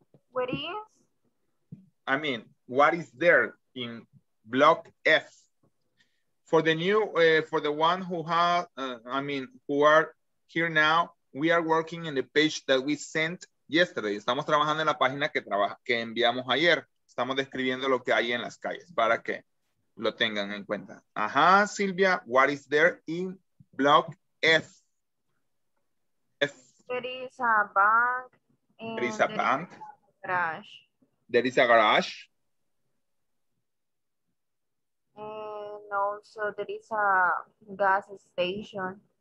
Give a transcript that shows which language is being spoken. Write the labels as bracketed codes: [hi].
[en] What is? I mean, what is there in block F? For the new, for the one who have, I mean, who are here now, we are working in the page that we sent yesterday. [es] Estamos trabajando en la página que enviamos ayer. Estamos describiendo lo que hay en las calles. ¿Para qué? Lo tengan en cuenta. [en] Ajá, Silvia, what is there in block F? There is a bank. There is a bank. Garage. There is a garage. And also there is a gas station.